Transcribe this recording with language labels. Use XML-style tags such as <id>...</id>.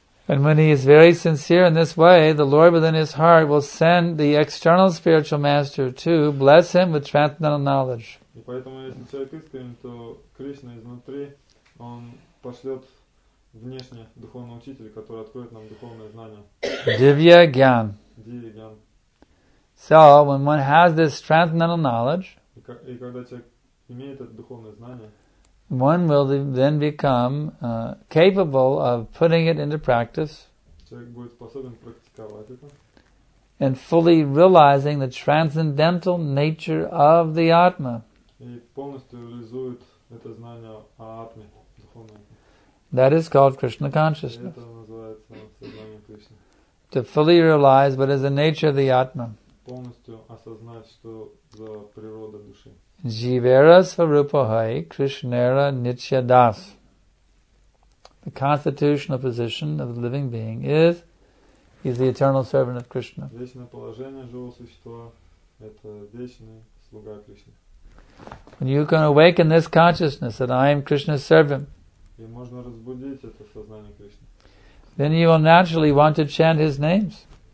<en>And when he is very sincere in this way, the Lord within his heart will send the external spiritual master to bless him with transcendental knowledge.</en> <ru>Поэтому, если человек искренен, то Кришна изнутри, он пошлет внешне духовного учителя, который откроет нам духовное знание.</ru> <hi>Divya Gyan. Divya Gyan.</hi> <en>So, when one has this transcendental knowledge,</en> <ru>и когда человек имеет это духовное знание,</ru> <en>one will then become capable of putting it into practice.</en> <ru>Человек будет способен практиковать это.</ru> <en>and fully realizing the transcendental nature of the Atma.</en> <ru>И полностью реализует это знание о Атме, духовной.</ru> <en>That is called Krishna consciousness.</en> <ru>Это называется сознание Кришны.</ru> <en>To fully realize what is the nature of the Atma.</en> <ru>Полностью осознать, что за природа души.</ru> <bn>Jivera Svarupahai Krishnera Nitya Das.</bn> <en>The constitutional position of the living being is he's the eternal servant of Krishna.</en> <ru>Вечное положение живого существа – это вечный слуга Кришны.</ru> <en>When you can awaken this consciousness that I am Krishna's servant,</en> <ru>и можно разбудить это сознание Кришны,</ru> <en>then you will naturally want to chant his names.</en>